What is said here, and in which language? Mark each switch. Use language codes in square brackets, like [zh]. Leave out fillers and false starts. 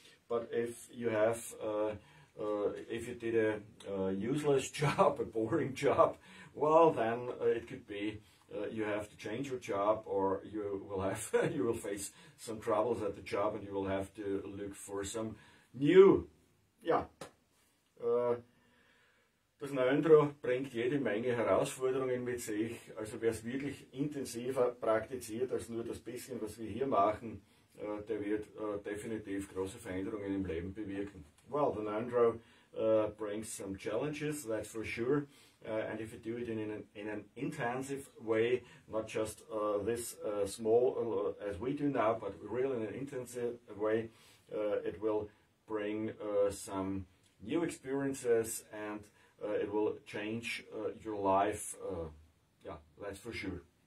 [en] But if you have if you did a useless job, a boring job, well then it could be you have to change your job, or you will have you will face some troubles at the job and you will have to look for some new. [de] Das Ngondro bringt jede Menge Herausforderungen mit sich, also wer es wirklich intensiver praktiziert als nur das bisschen, was wir hier machen, der wird definitiv große Veränderungen im Leben bewirken. [en] Well, the Ngondro brings some challenges, that's for sure, and if you do it in an intensive way, not just this small as we do now, but really in an intensive way, it will bring some new experiences and it will change your life, yeah, that's for sure.